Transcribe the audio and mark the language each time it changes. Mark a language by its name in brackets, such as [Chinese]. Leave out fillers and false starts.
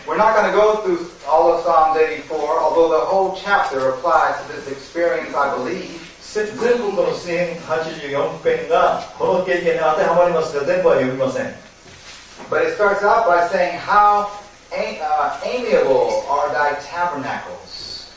[English] We're not going to go through all of Psalms 84, although the whole chapter applies to this experience, I believe. [Japanese] 全部この詩編84編がこの経験に当てはまりますが、全部は読みません。 [English] But it starts out by saying, How amiable are thy tabernacles?